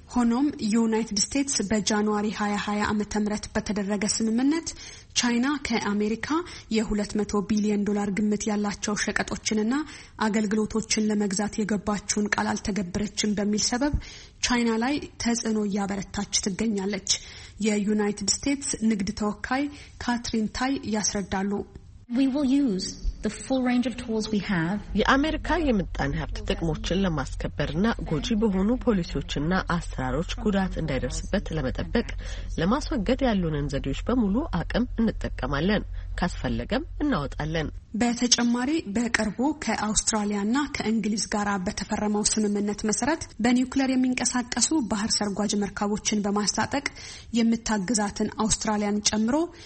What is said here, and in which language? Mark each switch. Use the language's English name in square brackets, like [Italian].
[Amharic] ሆኖም ዩናይትድ ስቴትስ በጃንዋሪ 2020 ዓመተ ምህረት በተደረገ ስምምነት ቻይና ከአሜሪካ የ200 ቢሊዮን ዶላር ግምት ያላቸው ሸቀጦችንና አገልግሎቶችን ለመግዛት የገባችውን ቃል አልተገበረችም በሚል ሰበብ ቻይና ላይ ተጽዕኖ እያበረታች ትገኛለች። የዩናይትድ ስቴትስ ንግድ ተወካይ ካትሪን ታይ ያስረዳሉ። [English] We will use the full range of tools we have. [Amharic] የአሜሪካ የምጣኔ ሀብት ጥቅሞችን ለማስከበርና ጎጂ በሆኑ ፖሊሲዎችና አሰራሮች ጉዳት እንዳይደርስበት ለመጠበቅ ለማስወገድ ያሉንን ዘዴዎች በሙሉ አቅም እንጠቀማለን። ካስፈለገም እናወጣለን። በተጨማሪ በቅርቡ ከአውስትራሊያና ከእንግሊዝ ጋር በተፈረመው ስምምነት መሰረት በኒውክሌር የሚንቀሳቀሱ ባህር ሰርጓጅ መርከቦችን በማስታጠቅ የምታግዛትን አውስትራሊያን ጨምሮ